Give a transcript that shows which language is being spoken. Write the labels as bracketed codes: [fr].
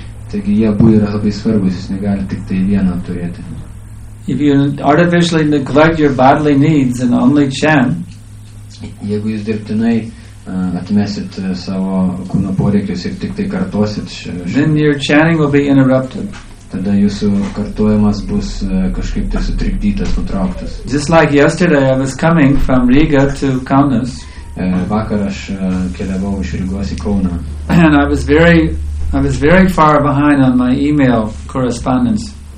[lt] Taigi jie abu yra labai svarbus, jis negali tik tai vieną turėti. [en] If you artificially neglect your bodily needs and only chant, [lt] jeigu jūs dirbtinai atmesit savo kūno poreikius ir tik tai kartosit, [en] then your chanting will be interrupted. [lt] Tada jūsų kartojimas bus kažkaip tai sutrikdytas, nutrauktas. [en] Just like yesterday I was coming from Riga to Kaunas. [lt] Vakar aš keliavau iš Rygos į Kauną. [en] And I was very far behind on my email correspondence.